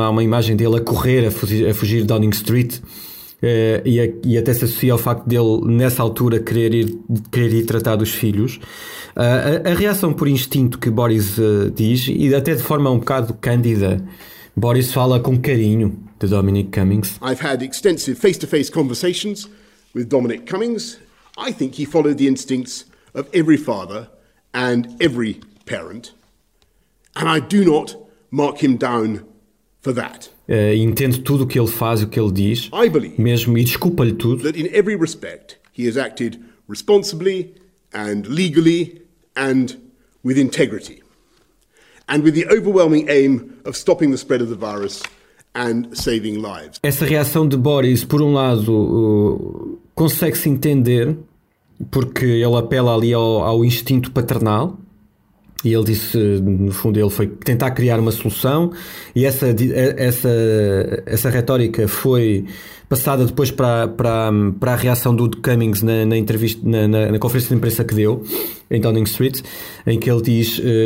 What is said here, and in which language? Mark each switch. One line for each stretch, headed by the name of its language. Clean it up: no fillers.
Portuguese: Há uma imagem dele a correr, a fugir de Downing Street, e até se associa ao facto dele, nessa altura, querer ir tratar dos filhos. A reação por instinto que Boris diz, e até de forma um bocado cândida, Boris fala com carinho de Dominic Cummings.
English: I've had extensive face-to-face conversations with Dominic Cummings. I think he followed the instincts of every father and every parent. And I do not mark him down for that.
Portuguese: Entendo tudo o que ele faz, o que ele diz.
English: I believe
Portuguese: mesmo, e desculpa-lhe tudo.
English: That in every respect he has acted responsibly and legally and with integrity. And with the overwhelming aim of stopping the spread of the virus and saving lives.
Portuguese: Essa reação de Boris, por um lado, consegue-se entender, porque ele apela ali ao instinto paternal, e ele disse, no fundo, ele foi tentar criar uma solução, e essa retórica foi passada depois para a reação do Cummings na conferência de imprensa que deu em Downing Street, em que ele diz